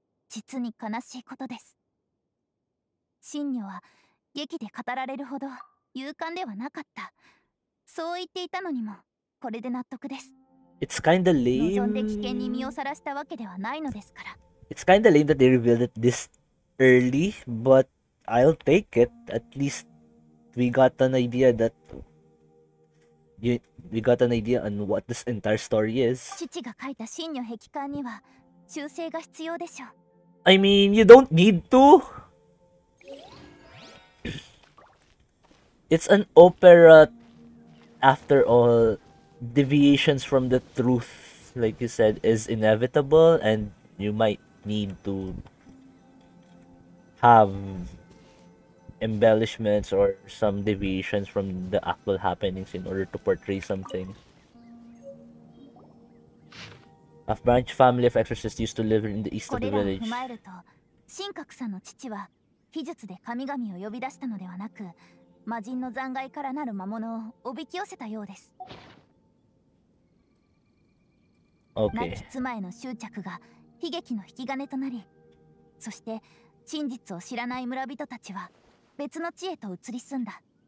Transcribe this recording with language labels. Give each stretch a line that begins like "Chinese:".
Japanese: 実に悲しいことです。神女は劇で語られるほど勇敢ではなかった、そう言っていたのにもこれで納得です。
English: It's kinda lame.
Japanese: 望んで危険に身をさらしたわけではないのですから。
English: It's kinda lame that they revealed it this early, butI'll take it. At least we got an idea that we got an idea on what this entire story is.
Japanese: 父が書いた神女壁画には修正が必要でしょう。
English: I mean, you don't need to. It's an opera, after all. Deviations from the truth, like you said, is inevitable, and you might need to have embellishments or some deviations from the actual happenings in order to portray something. A branch family of exorcists used to live in the east of the village.
Japanese: これらを踏まえると、神格さんの父は秘術で神々を呼び出したのではなく、魔人の残骸からなる魔物をおびき寄せたようです。
English: Okay.
Japanese: 亡き妻への執着が悲劇の引き金となり、そして真実を知らない村人たちは別の地へと移り住んだ。